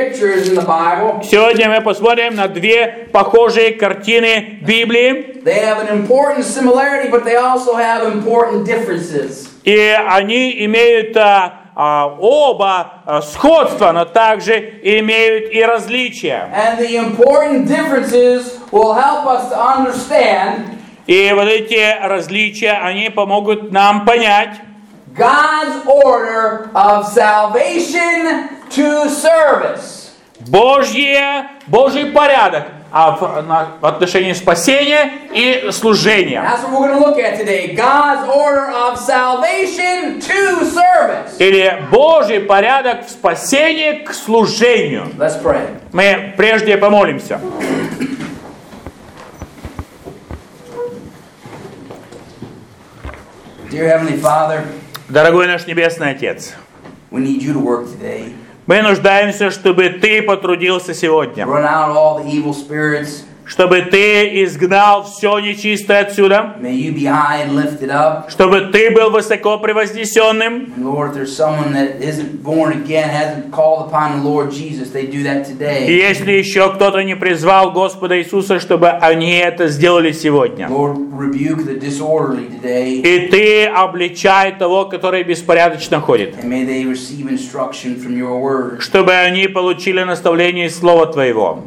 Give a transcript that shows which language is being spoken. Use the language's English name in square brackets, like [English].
[Russian] Сегодня мы посмотрим на две похожие картины Библии. [English] They have an important similarity, but they also have important differences. [Russian] И они имеют оба сходства, но также имеют и различия. [English] And the important differences will help us to understand. [Russian] И вот эти различия, они помогут нам понять [English] God's order of salvation to service. [Russian] Божий порядок в отношении спасения и служения. [English] That's what we're going to look at today. God's order of salvation to service. [Russian] Или Божий порядок в спасении к служению. [English] Let's pray. [Russian] Мы прежде помолимся. [English] Dear Heavenly Father, [Russian] дорогой наш Небесный Отец, [English] we need you to work today. [Russian] Мы нуждаемся, чтобы Ты потрудился сегодня. [English] Run out all the evil spirits. [Russian] Чтобы Ты изгнал все нечистое отсюда. [English] May you be high and lifted up. [Russian] Чтобы Ты был высоко превознесенным. [English] Lord, if there's someone that isn't born again, hasn't called upon the Lord Jesus, they do that today. [Russian] И если еще кто-то не призвал Господа Иисуса, чтобы они это сделали сегодня. [English] Lord, rebuke the disorderly today. [Russian] И Ты обличай того, который беспорядочно ходит. [English] And may they receive instruction from your word. [Russian] Чтобы они получили наставление из Слова Твоего.